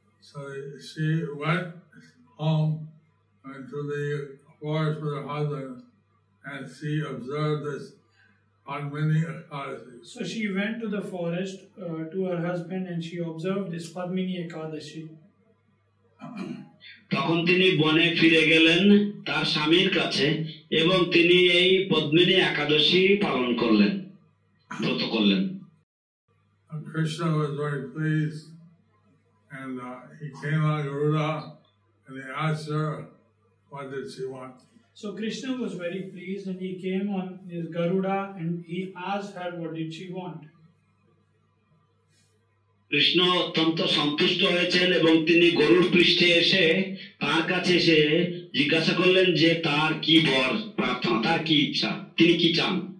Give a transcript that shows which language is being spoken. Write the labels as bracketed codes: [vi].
[en] So she went home and to the forest with her husband and she observed this Padmini Ekadashi. So she went to the forest to her husband and she observed this Padmini Ekadashi. [bn] তখন তিনি বনে ফিরে গেলেন তার স্বামীর কাছে এবং তিনি এই পদ্মিনী একাদশী পালন করলেন, ব্রত করলেন. [en] Krishna was very pleased and he came to Garuda and he asked her what did she want. So Krishna was very pleased and he came on his Garuda and he asked her what did she want. [bn] Krishna অত্যন্ত সন্তুষ্ট হয়েছেন এবং তিনি গরুর পৃষ্ঠে এসে তার কাছে এসে জিজ্ঞাসা করলেন যে তার কি বর প্রার্থনা, তার কি ইচ্ছা, তিনি কি চান।